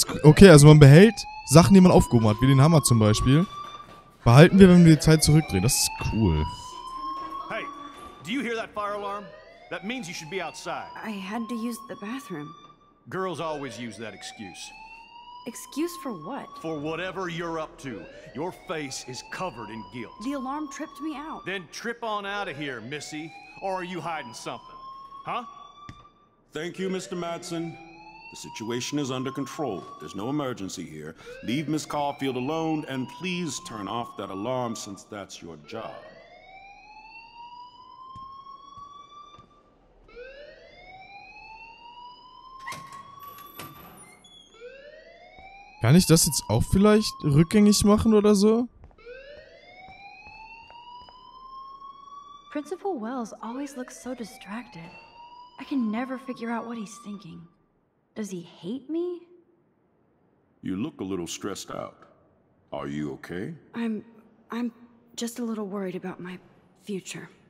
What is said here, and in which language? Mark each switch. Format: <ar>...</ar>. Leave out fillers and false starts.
<de>Okay, also man behält Sachen, die man aufgehoben hat, wie den Hammer zum Beispiel. Behalten wir, wenn wir die Zeit zurückdrehen. Das ist cool.</de> <en>Hey, do you hear that fire alarm? That means you should be outside. I had to use the bathroom. Girls always use that excuse. Excuse for what? For whatever you're up to. Your face is covered in guilt. The alarm tripped me out. Then trip on out of here, Missy. Or are you hiding something? Huh? Thank you, Mr. Madsen. The situation is under control. There's no emergency here. Leave Miss Caulfield alone and please turn off that alarm since that's your job.</en> <de>Kann ich das jetzt auch vielleicht rückgängig machen oder so?</de> <en>Principal Wells always looks so distracted. I can never figure out what he's thinking. Does he hate me? You look a little stressed out. Are you okay? I'm just a little worried about my future.</en>